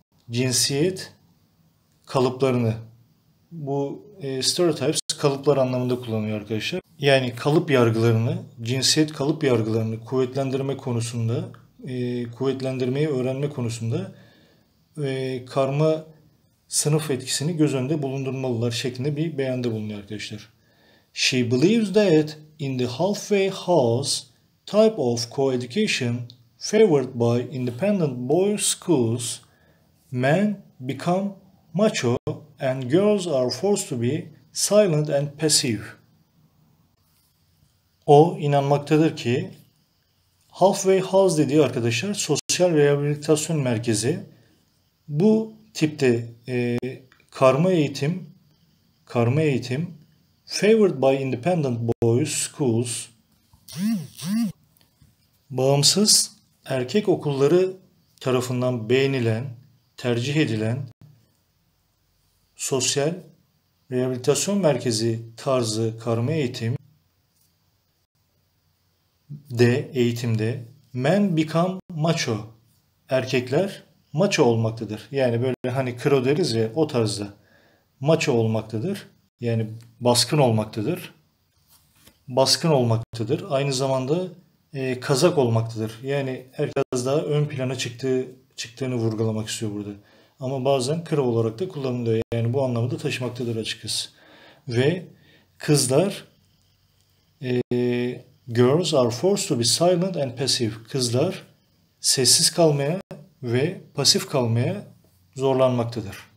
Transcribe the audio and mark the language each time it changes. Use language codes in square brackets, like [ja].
[tr] Cinsiyet kalıplarını. Bu stereotypes kalıplar anlamında kullanılıyor arkadaşlar. Yani kalıp yargılarını, cinsiyet kalıp yargılarını kuvvetlendirme konusunda, kuvvetlendirmeyi öğrenme konusunda karma sınıf etkisini göz önünde bulundurmalılar şeklinde bir beyanda bulunuyor arkadaşlar. [en] She believes that in the halfway house type of co-education favored by independent boys' schools, men become macho and girls are forced to be silent and passive. [tr] O inanmaktadır ki halfway house dediği arkadaşlar sosyal rehabilitasyon merkezi bu tipte karma eğitim [en] favored by independent boys schools [tr] bağımsız erkek okulları tarafından beğenilen, tercih edilen sosyal rehabilitasyon merkezi tarzı karma eğitim de eğitimde [en] men become macho, [tr] erkekler macho olmaktadır. Yani böyle hani kro deriz ya, o tarzda macho olmaktadır. Yani baskın olmaktadır. Baskın olmaktadır. Aynı zamanda kazak olmaktadır. Yani biraz daha ön plana çıktığını vurgulamak istiyor burada. Ama bazen kro olarak da kullanılıyor. Yani bu anlamı da taşımaktadır açıkçası. Ve kızlar [en] girls are forced to be silent and passive. [tr] Kızlar sessiz kalmaya ve pasif kalmaya zorlanmaktadır.